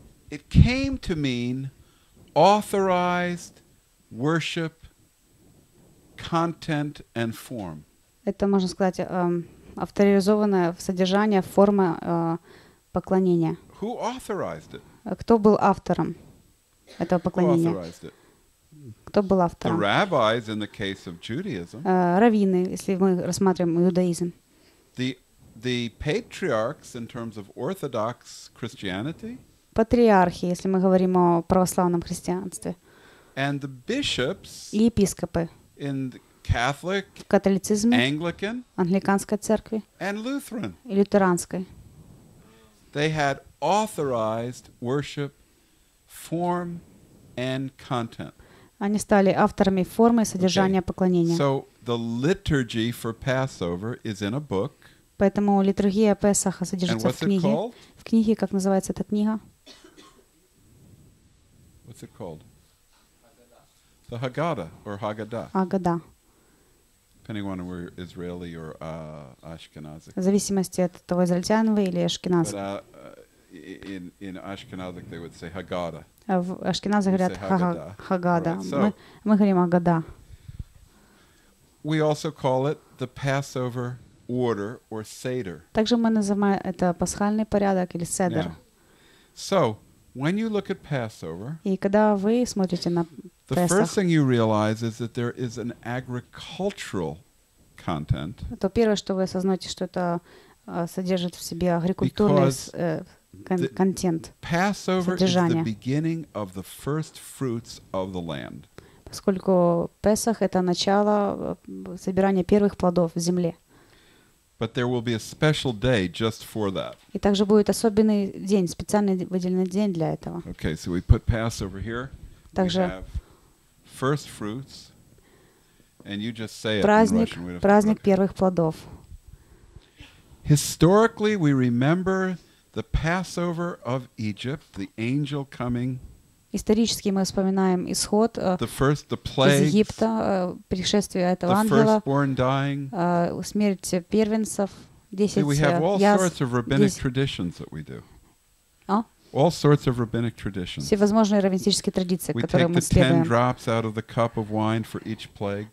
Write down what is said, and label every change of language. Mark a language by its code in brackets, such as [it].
[en] It came to mean authorized worship, content and form. [ru] Это можно сказать авторизованное содержание, форма поклонения. [en] Who authorized it? [ru] Кто был автором этого поклонения? [en] Who authorized it? [ru] Кто был автором? [en] The rabbis in the case of Judaism. [ru] Раввины, если мы рассматриваем иудаизм. [en] The patriarchs in terms of orthodox Christianity. [ru] Патриархи, если мы говорим о православном христианстве. [en] And the bishops. [ru] И епископы. [en] In the Catholic. [ru] В католицизме. [en] Anglican. [ru] Англиканской церкви. [en] And Lutheran. [ru] И лютеранской. [en] They had authorized worship, form, and content. [ru] Они стали авторами формы и содержания поклонения. [en] So the liturgy for Passover is in a book. [ru] Поэтому литургия Песаха содержится в книге. [en] And what's it called? [ru] В книге, как называется эта книга? [en] What's it called? The Haggadah or Haggadah. Haggadah. Depending on where Israeli or Ashkenazic. [ru] В зависимости от того, израильтян вы или ашкеназ. [en] But in Ashkenazic they would say Haggadah. [ru] В ашкеназе говорят Хагада. Мы говорим Агада. [en] We also call it the Passover order or Seder. [ru] Также мы называем это пасхальный порядок или Седер. [en] So, when you look at Passover, [ru] и когда вы смотрите на Песах, [en] the first thing you realize is that there is an agricultural content. [ru] То первое, что вы осознаете, что это содержит в себе агрикультурный контент, [en] Passover [ru] содержание. [en] Is the beginning of the first fruits of the land. [ru] Поскольку Песах — это начало собирания первых плодов в земле. [en] But there will be a special day just for that. [ru] И также будет особенный день, специальный выделенный день для этого. [en] Okay, so we put Passover here. [ru] Также [en] we have first fruits, and you just say [ru] праздник, [en] it in Russian. [ru] Праздник первых плодов. [en] Historically, we remember the Passover of Egypt, the angel coming. [ru] Исторически мы вспоминаем исход [en] plagues, [ru] из Египта, пришествие этого ангела, [en] dying, [ru] смерть первенцев, 10 [en] See, we have all sorts of rabbinic traditions that we do. All sorts of rabbinic traditions. [ru] Всевозможные раввинические традиции, [en] we [ru] которые мы следуем. [en] We take 10 drops out of the cup of wine for each plague.